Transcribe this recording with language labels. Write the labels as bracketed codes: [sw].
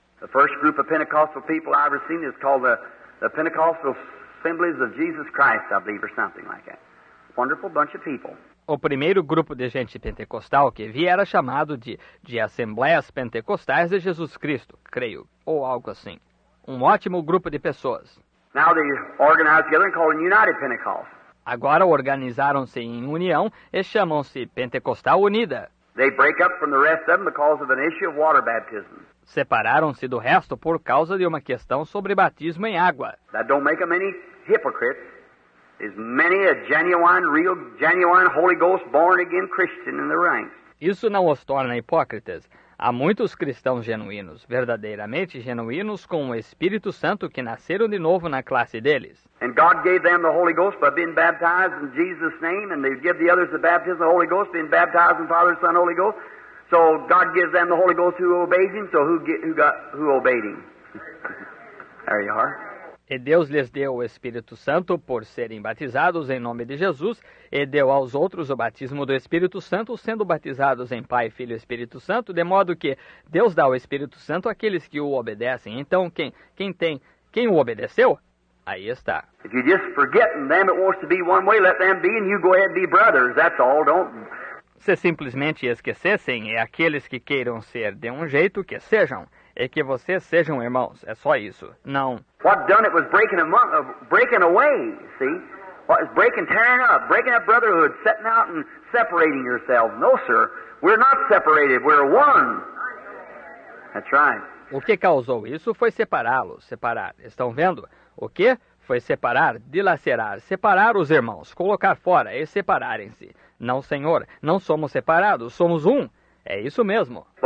[en] The first group of Pentecostal people I ever seen is called the Pentecostal Assemblies of Jesus Christ, I believe, or something like that. Wonderful bunch of people. [pt] O primeiro grupo de gente pentecostal que vi era chamado de Assembleias Pentecostais de Jesus Cristo, creio, ou algo assim. Um ótimo grupo de pessoas. [en] Now they organize together and call them United Pentecost. [pt] Agora organizaram-se em união e chamam-se Pentecostal Unida. [en] They break up from the rest of them because of an issue of water baptism. [pt] Separaram-se do resto por causa de uma questão sobre batismo em água. [en] That don't make them any hypocrites. Is many a genuine, real, genuine Holy Ghost born again Christian in the ranks. [pt] Isso não os torna hipócritas. Há muitos cristãos genuínos, verdadeiramente genuínos, com o Espírito Santo que nasceram de novo na classe deles. [en] And God gave them the Holy Ghost by being baptized in Jesus' name, and they give the others the baptism of the Holy Ghost, being baptized in Father, Son, Holy Ghost. So God gives them the Holy Ghost who obeyed Him. So who obeyed Him? There you are. [pt] E Deus lhes deu o Espírito Santo por serem batizados em nome de Jesus, e deu aos outros o batismo do Espírito Santo, sendo batizados em Pai, Filho e Espírito Santo, de modo que Deus dá o Espírito Santo àqueles que o obedecem. Então, quem o obedeceu? Aí está. [en] If you're just forgetting them, it wants to be one way, let them be, and you go ahead and be brothers, that's all, don't... [pt] Se simplesmente esquecessem, é aqueles que queiram ser de um jeito que sejam, é que vocês sejam irmãos, é só isso, não. [en] What done it was breaking away, see? What is breaking, tearing up brotherhood, setting out and separating yourselves. No, sir, we're not separated, we're one. That's right. [pt] O que causou isso foi separá-los, separar, estão vendo? O que? Foi separar, dilacerar, separar os irmãos, colocar fora e separarem-se. Não, senhor, não somos separados, somos um. É isso mesmo.